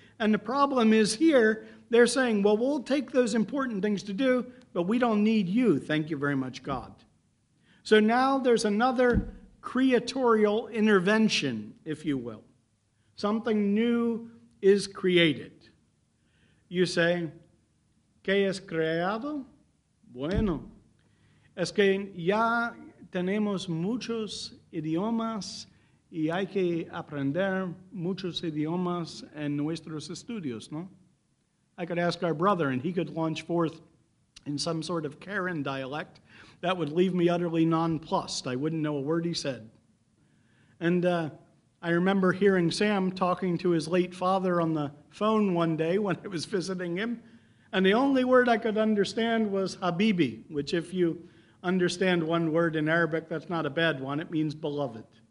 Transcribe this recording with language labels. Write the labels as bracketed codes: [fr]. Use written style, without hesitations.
[en] And the problem is here, they're saying, well, we'll take those important things to do, but we don't need you. Thank you very much, God. So now there's another creatorial intervention, if you will. Something new is created. You say, [es] ¿qué es creado? Bueno, es que ya tenemos muchos idiomas y hay que aprender muchos idiomas en nuestros estudios, ¿no? [en] I could ask our brother and he could launch forth in some sort of Karen dialect that would leave me utterly nonplussed. I wouldn't know a word he said. And I remember hearing Sam talking to his late father on the phone one day when I was visiting him, and the only word I could understand was Habibi, which if you understand one word in Arabic, that's not a bad one. It means beloved.